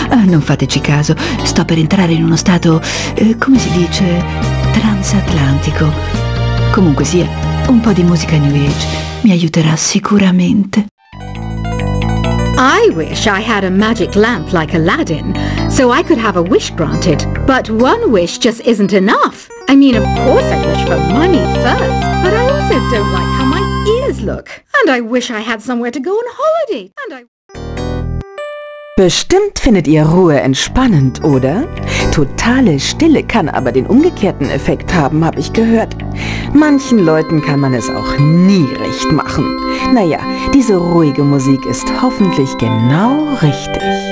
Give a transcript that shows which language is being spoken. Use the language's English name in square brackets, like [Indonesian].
[Italian] Non fateci caso, sto per entrare in uno stato, come si dice, transatlantico. Comunque sia, un po' di musica New Age mi aiuterà sicuramente. [English] I wish I had a magic lamp like Aladdin, so I could have a wish granted. But one wish just isn't enough. I mean, of course I wish for money first, but I also don't like how my ears look. And I wish I had somewhere to go on holiday, and I... [German] Bestimmt findet ihr Ruhe entspannend, oder? Totale Stille kann aber den umgekehrten Effekt haben, habe ich gehört. Manchen Leuten kann man es auch nie recht machen. Naja, diese ruhige Musik ist hoffentlich genau richtig.